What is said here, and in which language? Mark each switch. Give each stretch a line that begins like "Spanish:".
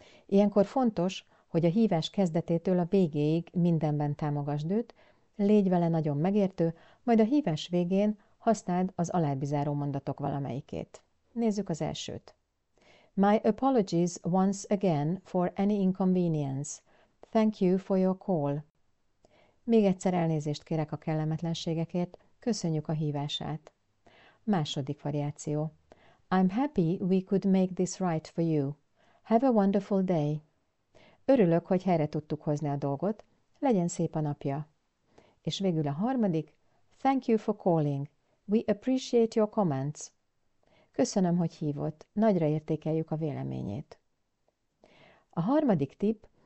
Hungarian: Ilyenkor fontos, hogy a hívás kezdetétől a végéig mindenben támogasd őt, légy vele nagyon megértő, majd a hívás végén használd az alábbi záró mondatok valamelyikét. Nézzük az elsőt.
English: My apologies once again for any inconvenience. Thank you for your call.
Hungarian: Még egyszer elnézést kérek a kellemetlenségekért, köszönjük a hívását. Második variáció.
English: I'm happy we could make this right for you. Have a wonderful day.
Hungarian: Örülök, hogy helyre tudtuk hozni a dolgot. Legyen szép a napja. És végül a harmadik.
English: Thank you for calling. We appreciate your comments.
Hungarian: Köszönöm, hogy hívott. Nagyra értékeljük a véleményét. A harmadik tipp,